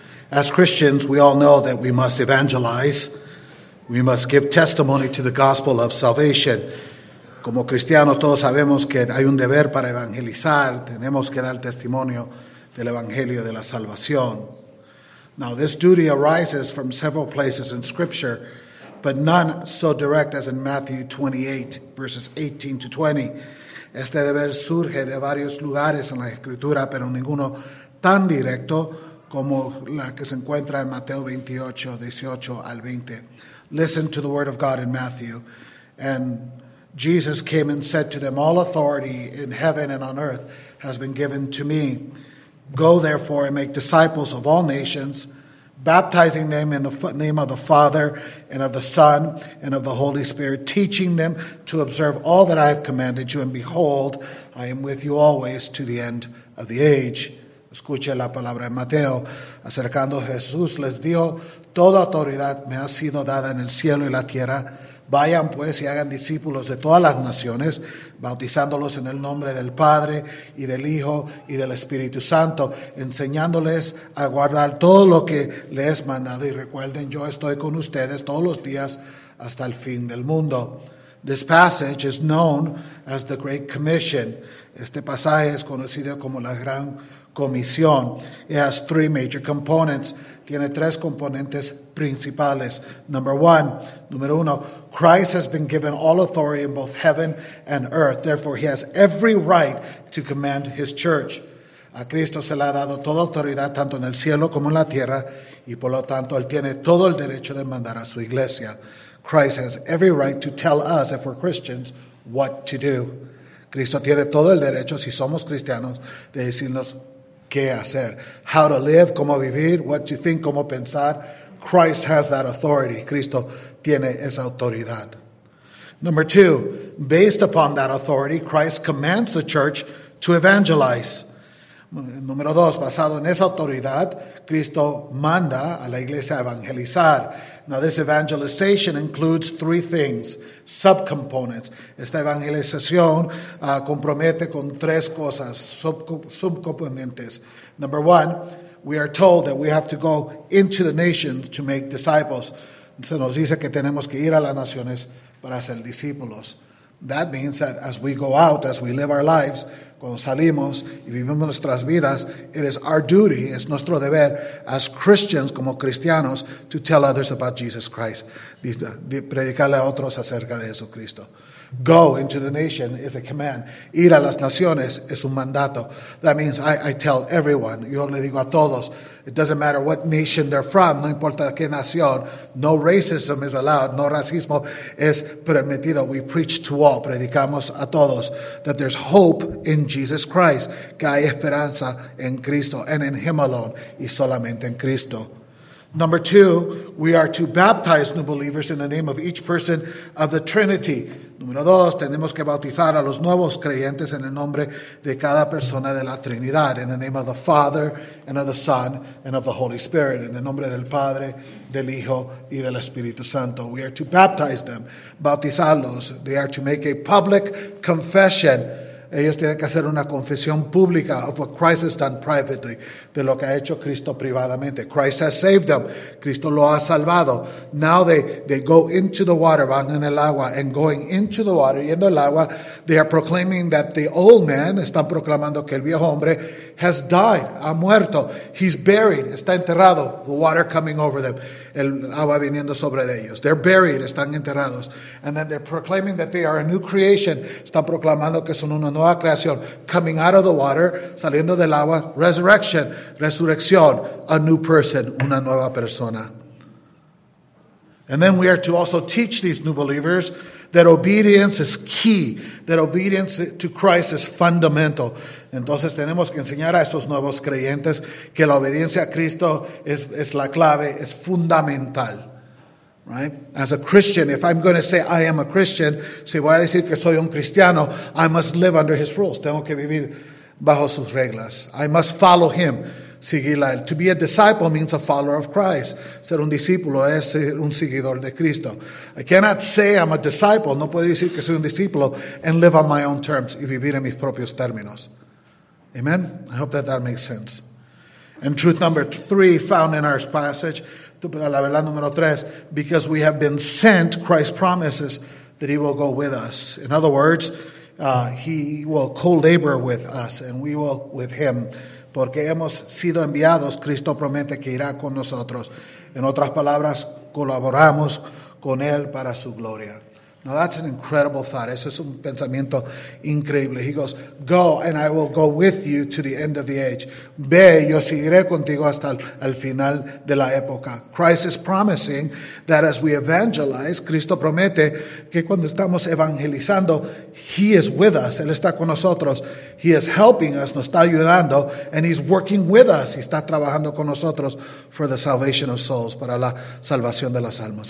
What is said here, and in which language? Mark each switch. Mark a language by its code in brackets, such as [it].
[en] As Christians, we all know that we must evangelize. We must give testimony to the gospel of salvation. [es] Como cristianos, todos sabemos que hay un deber para evangelizar. Tenemos que dar testimonio del evangelio de la salvación. [en] Now, this duty arises from several places in Scripture, but none so direct as in Matthew 28, verses 18 to 20. [es] Este deber surge de varios lugares en la Escritura, pero ninguno tan directo como la que se encuentra en Mateo 28, 18 al 20. [en] Listen to the word of God in Matthew. And Jesus came and said to them, all authority in heaven and on earth has been given to me. Go therefore and make disciples of all nations, baptizing them in the name of the Father and of the Son and of the Holy Spirit, teaching them to observe all that I have commanded you. And behold, I am with you always to the end of the age. [es] Escuche la palabra de Mateo. Acercando Jesús les dijo, toda autoridad me ha sido dada en el cielo y la tierra. Vayan pues y hagan discípulos de todas las naciones, bautizándolos en el nombre del Padre y del Hijo y del Espíritu Santo, enseñándoles a guardar todo lo que les he mandado. Y recuerden, yo estoy con ustedes todos los días hasta el fin del mundo. [en] This passage is known as the Great Commission. [es] Este pasaje es conocido como la Gran comisión. [en] It has three major components. [es] Tiene tres componentes principales. Número uno, [en] Christ has been given all authority in both heaven and earth. Therefore, he has every right to command his church. [es] A Cristo se le ha dado toda autoridad, tanto en el cielo como en la tierra, y por lo tanto, él tiene todo el derecho de mandar a su iglesia. [en] Christ has every right to tell us, if we're Christians, what to do. [es] Cristo tiene todo el derecho, si somos cristianos, de decirnos qué hacer. [en] How to live, [es] cómo vivir, [en] what to think, [es] cómo pensar. [en] Christ has that authority. [es] Cristo tiene esa autoridad. [en] Number two, based upon that authority, Christ commands the church to evangelize. [es] Número dos, basado en esa autoridad, Cristo manda a la iglesia a evangelizar. [en] Now, this evangelization includes three things, subcomponents. [es] Esta evangelización compromete con tres cosas, subcomponentes. [en] Number one, we are told that we have to go into the nations to make disciples. [es] Se nos dice que tenemos que ir a las naciones para hacer discípulos. [en] That means that as we go out, as we live our lives, [es] cuando salimos y vivimos nuestras vidas, [en] it is our duty, [es] es nuestro deber, [en] as Christians, [es] como cristianos, [en] to tell others about Jesus Christ, [es] predicarle a otros acerca de Jesucristo. [en] Go into the nation is a command. [es] Ir a las naciones es un mandato. [en] That means I tell everyone, [es] yo le digo a todos, [en] it doesn't matter what nation they're from, [es] no importa qué nación, [en] no racism is allowed, [es] no racismo es permitido. [en] We preach to all, [es] predicamos a todos, [en] that there's hope in Jesus Christ, [es] que hay esperanza en Cristo, [en] and in Him alone, [es] y solamente en Cristo. [en] Number two, we are to baptize new believers in the name of each person of the Trinity. [es] Número dos, tenemos que bautizar a los nuevos creyentes en el nombre de cada persona de la Trinidad. [en] In the name of the Father, and of the Son, and of the Holy Spirit. [es] En el nombre del Padre, del Hijo, y del Espíritu Santo. [en] We are to baptize them, [es] bautizarlos. [en] They are to make a public confession. [es] Ellos tienen que hacer una confesión pública [en] of what Christ has done privately, [es] de lo que ha hecho Cristo privadamente. [en] Christ has saved them. [es] Cristo lo ha salvado. [en] Now they go into the water, [es] van en el agua, [en] and going into the water, [es] yendo al agua, [en] they are proclaiming that the old man, [es] están proclamando que el viejo hombre, [en] has died, [es] ha muerto. [en] He's buried, [es] está enterrado, [en] the water coming over them, [es] el agua viniendo sobre ellos. [en] They're buried, [es] están enterrados. [en] And then they're proclaiming that they are a new creation. [es] Están proclamando que son una nueva creación. [en] Coming out of the water, [es] saliendo del agua, resurrection, resurrección, [en] a new person, [es] una nueva persona. [en] And then we are to also teach these new believers that obedience is key, that obedience to Christ is fundamental. [es] Entonces tenemos que enseñar a estos nuevos creyentes que la obediencia a Cristo es la clave, es fundamental, right? [en] As a Christian, if I'm going to say I am a Christian, [es] si voy a decir que soy un cristiano, [en] I must live under his rules. [es] Tengo que vivir bajo sus reglas. [en] I must follow him. [es] Seguirla. [en] To be a disciple means a follower of Christ. [es] Ser un discípulo es ser un seguidor de Cristo. [en] I cannot say I'm a disciple. [es] No puedo decir que soy un discípulo [en] and live on my own terms [es] y vivir en mis propios términos. Amen? [en] I hope that makes sense. And truth number three found in our passage, [es] la verdad número tres, [en] because we have been sent, Christ promises that he will go with us. In other words, he will co-labor with us and we will with him. [es] Porque hemos sido enviados, Cristo promete que irá con nosotros. En otras palabras, colaboramos con él para su gloria. [en] Now that's an incredible thought. [es] Eso es un pensamiento increíble. [en] He goes, go and I will go with you to the end of the age. [es] Ve, yo seguiré contigo hasta el final de la época. [en] Christ is promising that as we evangelize, [es] Cristo promete que cuando estamos evangelizando, [en] he is with us. [es] Él está con nosotros. [en] He is helping us, [es] nos está ayudando, [en] and he's working with us. [es] Y está trabajando con nosotros [en] for the salvation of souls, [es] para la salvación de las almas.